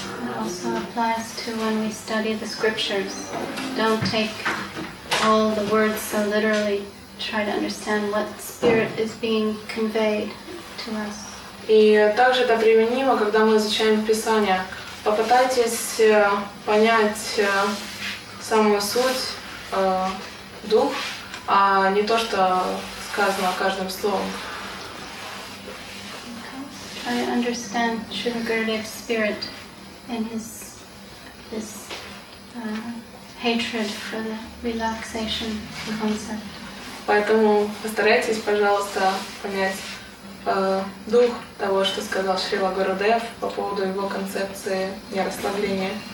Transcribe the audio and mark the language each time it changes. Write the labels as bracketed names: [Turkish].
[English] It also applies to when we study the scriptures. Don't take all the words so literally. Try to understand what spirit is being conveyed to us. [Russian] И также это применимо, когда мы изучаем Писание. Попытайтесь понять самую суть, дух, а не то, что сказано каждым словом. [English] Okay. I understand Śrīla Gurudeva's spirit and his hatred for the relaxation concept. [Russian] Поэтому постарайтесь, пожалуйста, понять дух того, что сказал Шрила Гурудев по поводу его концепции нерасслабления.